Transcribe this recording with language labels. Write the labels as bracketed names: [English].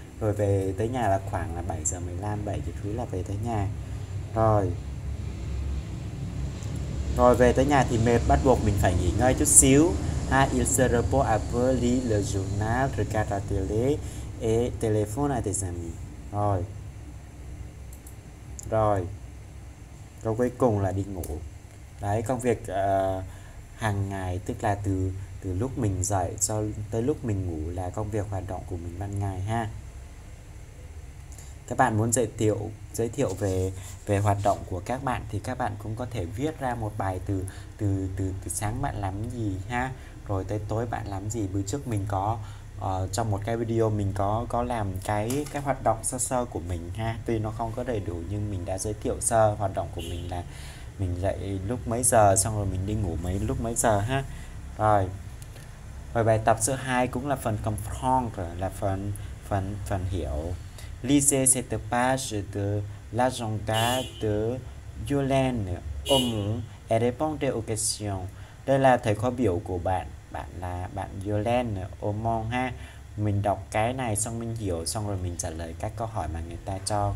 [Vietnamese] Rồi về tới nhà là khoảng là 7 giờ 15, 7 giờ thứ là về tới nhà. Rồi. Rồi về tới nhà thì mệt bắt buộc mình phải nghỉ ngơi chút xíu. [French] Ha, il se repos avant le journal, regarde la télé et téléphone à des amis. [Vietnamese] Rồi. Rồi. Rồi cuối cùng là đi ngủ. Đấy, công việc hàng ngày, tức là từ từ lúc mình dậy cho tới lúc mình ngủ là công việc hoạt động của mình ban ngày ha. Các bạn muốn giới thiệu về về hoạt động của các bạn thì các bạn cũng có thể viết ra một bài từ từ từ từ sáng bạn làm gì ha, rồi tới tối bạn làm gì. Bữa trước mình có trong một cái video mình có làm cái hoạt động sơ sơ của mình ha, tuy nó không có đầy đủ nhưng mình đã giới thiệu sơ hoạt động của mình là mình dậy lúc mấy giờ, xong rồi mình đi ngủ mấy lúc mấy giờ ha. Rồi. Rồi bài tập số 2 cũng là phần comprendre, là phần phần phần hiểu. [French] Lisez cette page de l'agenda de Yolène. Ôm, et répondez aux questions. [Vietnamese] Đây là thầy khóa biểu của bạn. Bạn là bạn Yolène Omon ha. Mình đọc cái này xong mình hiểu, xong rồi mình trả lời các câu hỏi mà người ta cho.